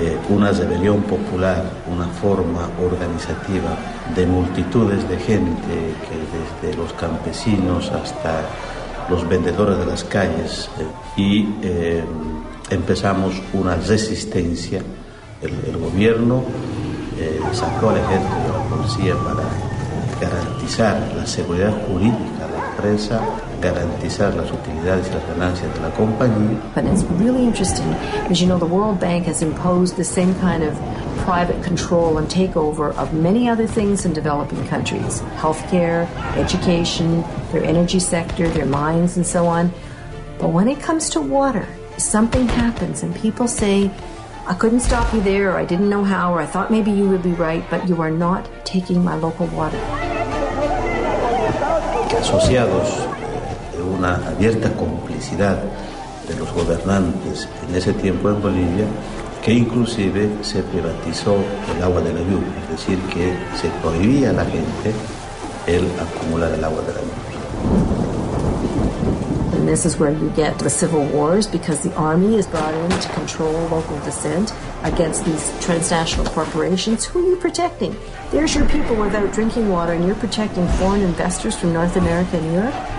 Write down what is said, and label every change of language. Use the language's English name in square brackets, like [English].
[Spanish] Una rebelión popular, una forma organizativa de multitudes de gente, que desde los campesinos hasta los vendedores de las calles, y empezamos una resistencia. El gobierno sacó al ejército de la policía para garantizar la seguridad jurídica de la empresa, garantizar las utilidades y las ganancias de la compañía. [English] But it's really interesting because, you know, the World Bank has imposed the same kind of private control and takeover of many other things in developing countries: healthcare, education, their energy sector, their mines, and so on. But when it comes to water, something happens and people say, I couldn't stop you there, or I didn't know how, or I thought maybe you would be right, but you are not taking my local water. [Spanish] Asociados de una abierta complicidad de los gobernantes en ese tiempo en Bolivia, que inclusive se privatizó el agua de la lluvia, es decir, que se prohibía a la gente el acumular el agua de la lluvia. [English] And this is where you get the civil wars, because the army is brought in to control local dissent against these transnational corporations. Who are you protecting? There's your people without drinking water, and you're protecting foreign investors from North America and Europe?